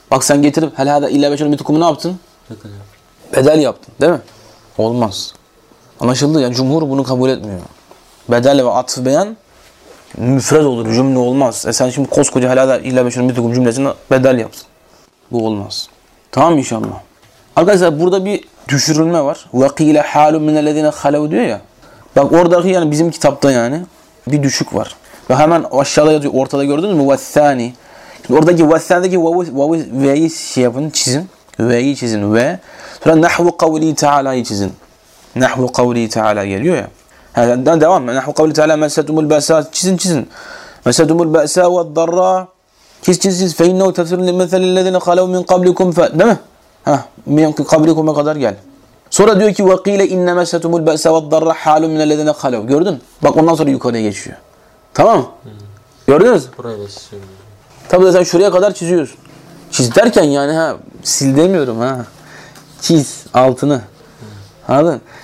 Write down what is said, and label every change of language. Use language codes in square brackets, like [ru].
[tr] Bak sen getirip [ar] helâzâ illâ beşerun mislukum [tr] ne yaptın? Bedel yaptın değil mi? Olmaz. Anlaşıldı ya cumhur bunu kabul etmiyor. Bedel ve atf beyan müfred olur cümle olmaz. Sen şimdi koskoca [ar] helâzâ illâ beşerun mislukum [tr] cümlesine bedel yaptın. Bu olmaz. Tamam inşallah. Arkadaşlar burada bir düşürülme var. [ar] وَقِيلَ حَالٌ مِنَ الَّذِينَ خَلَوُ [tr] diyor ya. Bak oradaki yani bizim kitapta yani bir düşük var. Ve hemen aşağıda yazıyor. Ortada gördünüz mü? وَالثَّانِ şimdi oradaki وَالثَّانِ'deki ve'yi şey yapın çizin. Ve'yi çizin ve. Sonra [ar] نَحْوُ قَوْلِي تَعَالَى'yı [tr] çizin. [ar] نَحْوُ قَوْلِي تَعَالَى [tr] geliyor ya. Yani devam. [ar] نَحْوُ قَوْلِي تَعَالَى مَسَّتُمُ الْبَأْسَاءَ [tr] çizin çizin. [ar] مَسَّتُمُ الْبَأْسَاءَ وَالضَّرَّاءَ [tr] kesinsiz feinno tefsirin mesela [ar] الذين خلو من قبلكم ف [tr] değil mi? Ha, min قبلكم'a kadar gel. Sonra diyor ki [ar] ve kile inne mesetumul ba'sa ve'd darra halun min الذين خلو. [tr] Gördün? Bak ondan sonra yukarıya geçiyor. Tamam? Gördünüz? Buraya geçiyor. Tabii sen şuraya kadar çiziyorsun. Çiz derken yani ha sil demiyorum ha. Çiz altını. Anladın?